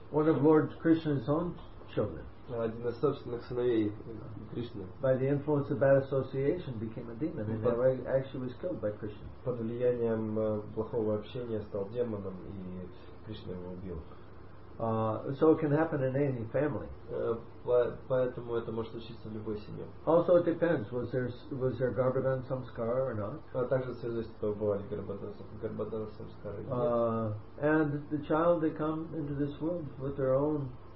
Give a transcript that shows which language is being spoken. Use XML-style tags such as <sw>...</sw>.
<en>One of Lord Krishna's own children.</en> <ru>Один из собственных сыновей Кришны.</ru> <en>By the influence of bad association, became a demon, and actually was killed by Krishna.</en> <ru>Под влиянием плохого общения стал демоном, и Кришна его убил.</ru> <en>So it can happen in any family.</en> <ru>Поэтому это может случиться в любой семье.</ru> <en>Also it depends. Was there garbhodan samskara or not?</en> <ru>Также зависит от того, было ли garbhodan samskara или нет.</ru> <en>And the child, they come into this world with their own</en>